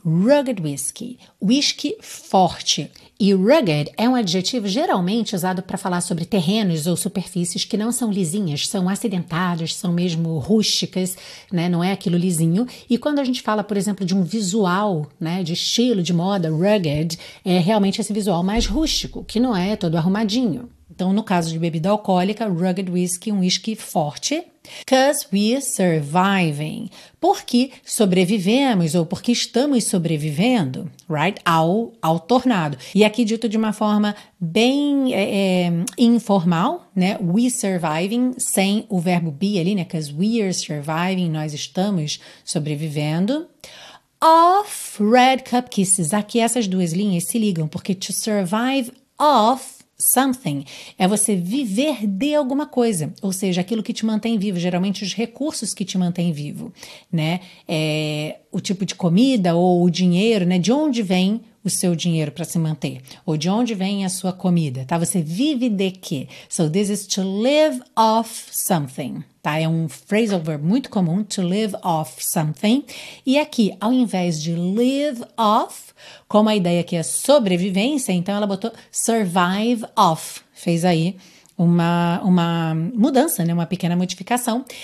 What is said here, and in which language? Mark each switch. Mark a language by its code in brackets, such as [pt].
[pt] Rugged whiskey. Whisky forte. E rugged é um adjetivo geralmente usado para falar sobre terrenos ou superfícies que não são lisinhas, são acidentadas, são mesmo rústicas, né? Não é aquilo lisinho. E quando a gente fala, por exemplo, de um visual, né, de estilo, de moda, rugged, é realmente esse visual mais rústico, que não é todo arrumadinho. Então, no caso de bebida alcoólica, rugged whiskey, um whisky forte. [en] Because we're surviving. [pt] Porque sobrevivemos ou porque estamos sobrevivendo, right? Ao tornado. E aqui dito de uma forma bem informal, né? We surviving, sem o verbo be ali, né? [en] Because we're surviving, [pt] nós estamos sobrevivendo. [en] Off red cup kisses. [pt] Aqui essas duas linhas se ligam, porque to survive off something é você viver de alguma coisa, ou seja, aquilo que te mantém vivo, geralmente os recursos que te mantém vivo, né? O tipo de comida ou o dinheiro, né? De onde vem o seu dinheiro para se manter? Ou de onde vem a sua comida, tá? Você vive de quê? [en] So this is to live off something, tá? [pt] É um phrasal verb muito comum, to live off something. E aqui, ao invés de live off, como a ideia aqui é sobrevivência, então ela botou survive off. Fez aí uma mudança, né? Uma pequena modificação.